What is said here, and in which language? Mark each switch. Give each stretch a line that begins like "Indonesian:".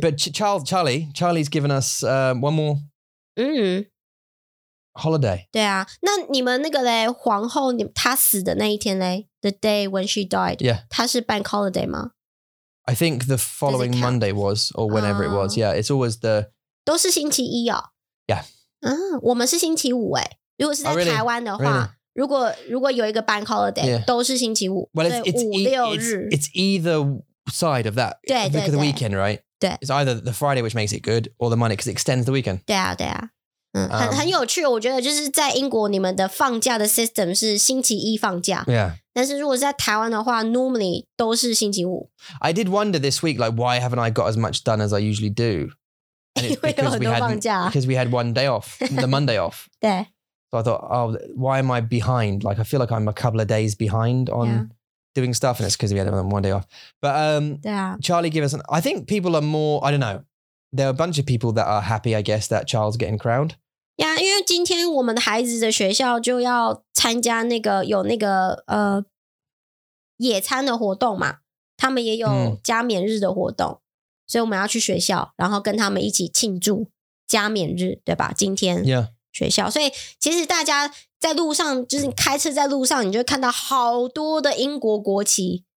English: But Charlie's given us one more. Holiday.
Chinese: 对啊,那你们那个咧,皇后,她死的那一天咧,
English: the day when she died. Yeah.
Chinese: 她是 bank holiday 吗?
English: I think the following Monday was, or whenever it was. Yeah, it's always the...
Chinese: 都是星期一哦?
English: Yeah.
Chinese: 我们是星期五诶, 如果是在台湾的话,
English: oh, really?
Chinese: 如果有一个 bank holiday,
English: yeah.
Chinese: 都是星期五,
English: well,
Chinese: 对,
English: it's either side of that.
Chinese: 对,
English: of the weekend, right?
Chinese: 对.
English: It's either the Friday, which makes it good, or the Monday, because it extends the weekend.
Chinese: 对啊。很有趣,我觉得就是在英国你们的放假的system是星期一放假
English: Yeah
Chinese: 但是如果是在台湾的话, normally都是星期五
English: I did wonder this week, like, why haven't I got as much done as I usually do? Because we had one day off, the Monday off
Chinese: 对
English: So I thought, oh, why am I behind? Like, I feel like I'm a couple of days behind on yeah. doing stuff And it's because we had one day off But Charlie gave us an... I think people are more, I don't know There are a bunch of people that are happy, I guess, that Charles getting crowned. Yeah,
Chinese: 因为今天我们的孩子的学校就要参加那个有那个野餐的活动嘛，他们也有加冕日的活动，所以我们要去学校，然后跟他们一起庆祝加冕日，对吧？今天学校，所以其实大家在路上就是开车在路上，你就会看到好多的英国国旗。